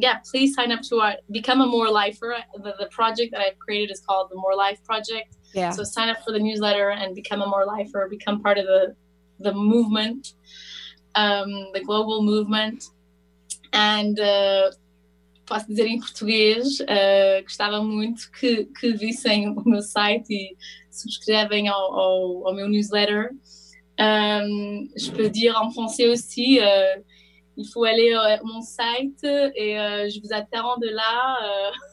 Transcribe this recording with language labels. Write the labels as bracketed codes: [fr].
[en] Please sign up to become a More Lifer. The project that I've created is called the More Life Project. Yeah. So sign up for the newsletter and become a More Lifer, become part of the movement. The global movement, and [pt] posso dizer em português, gostava muito que vissem o meu site e subscrevem ao meu newsletter. [fr] Je peux dire en français aussi, il faut aller à mon site et je vous attends de là.